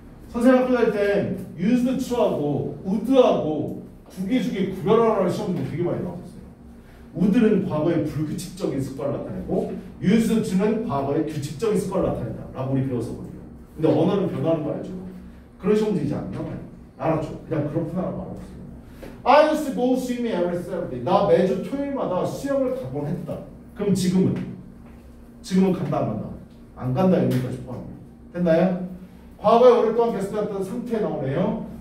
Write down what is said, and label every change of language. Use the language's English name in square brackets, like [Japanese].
[Korean] 선생님 학교 다닐 때 유즈드트하고 우드하고 두 개 중에 구별하라는 시험도 되게 많이 나왔어요. 우드는 과거의 불규칙적인 습관을 나타내고 유즈드트는 과거의 규칙적인 습관을 나타낸다 라고 우리 배웠었거든요. 근데 언어는 변하는 거 알죠? 그런 시험도 이제 안 나와요. 알았죠? 그냥 그렇구나 라고 알았어요. [English] I used to go swimming every Saturday. [Korean] 나 매주 토요일마다 수영을 가곤 했다. 그럼 지금은? 지금은 간다 안 간다? 안 간다 이러니까 싶어합니다. 됐나요? 과거에 오랫동안 계속됐던 상태에 나오네요.